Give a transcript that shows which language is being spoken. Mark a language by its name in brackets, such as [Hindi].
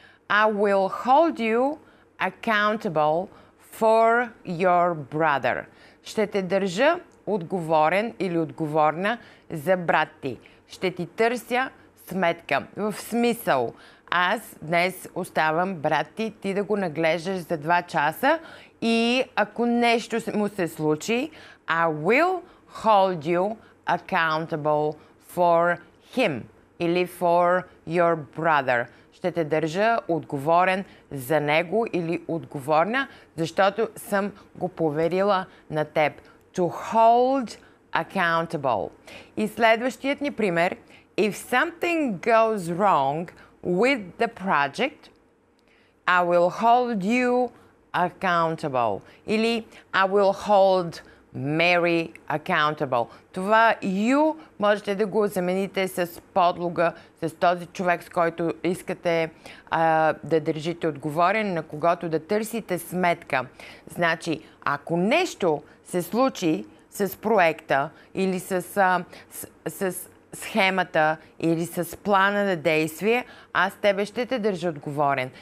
[English] I will hold you accountable for your brother. [Bulgarian] Ще те държа отговорен или отговорна за брат ти. Ще ти търся сметка. В смисъл, аз днес оставам брат ти, ти да го наглеждаш за 2 часа и ако нещо му се случи, [English] I will hold you accountable for him [Bulgarian] или [English] for your brother. [Bulgarian] Ще те държа отговорен за него или отговорна, защото съм го поверила на теб. [English] To hold accountable. [Bulgarian] И следващият ни пример. [English] If something goes wrong with the project, I will hold you accountable. Или I will hold Mary accountable. [Bulgarian] Това you можете да го замените с подлога, с този човек, с който искате да държите отговорен, на когото да търсите сметка. Значи, ако нещо се случи с проекта или с схемата или с плана на действие, аз тебе ще те държа отговорен.